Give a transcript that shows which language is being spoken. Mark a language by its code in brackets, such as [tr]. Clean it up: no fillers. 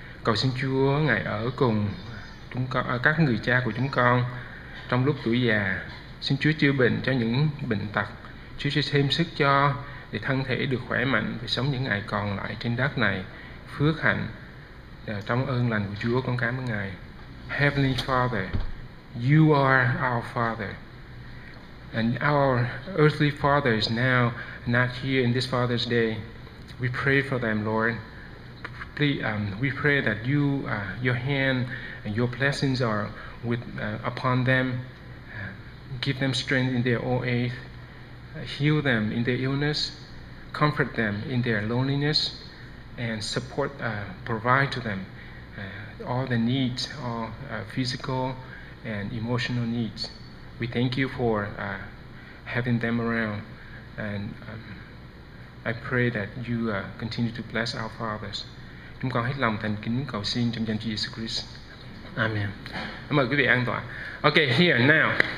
[vi] Cầu xin Chúa Ngài ở cùng chúng con, các người cha của chúng con trong lúc tuổi già. Xin Chúa chữa bệnh cho những bệnh tật. Chúa sẽ thêm sức cho để thân thể được khỏe mạnh và sống những ngày còn lại trên đất này. Phước hạnh trong ơn lành của Chúa, con cảm ơn Ngài. [en] Heavenly Father, you are our Father, and our earthly Father is now not here in this Father's Day. We pray for them, Lord. Please, we pray that you, your hand and your blessings are with upon them. Give them strength in their old age. Heal them in their illness. Comfort them in their loneliness, and support, provide to them all the needs, all physical and emotional needs. We thank you for having them around, and I pray that you continue to bless our fathers. [vi] Chúng con hết lòng thành kính cầu xin trong danh Jesus Christ. Amen. Mời quý vị an toàn. [en] Okay, here now.